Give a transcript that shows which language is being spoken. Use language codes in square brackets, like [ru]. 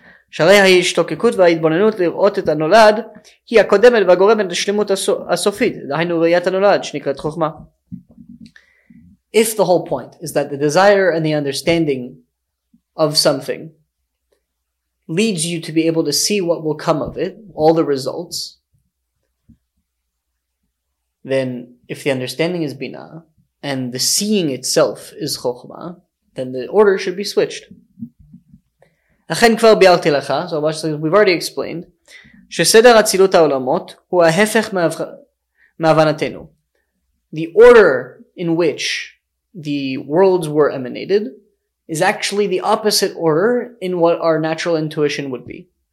[he] שהרי ההשתוקקות וההתבוננות לראות את הנולד היא הקודמת והגורמת לשלמות הסופית, דהיינו ראיית הנולד שנקראת חוכמה. [en] If the whole point is that the desire and the understanding of something leads you to be able to see what will come of it, all the results, then if the understanding is bina and the seeing itself is חוכמה, then the order should be switched. [he] אכן כבר ביארתי לך, [en] so we've already explained, [he] שסדר אצילות העולמות הוא ההפך מהבנתנו. [en] The order in which the worlds were emanated is actually the opposite order in what our natural intuition would be.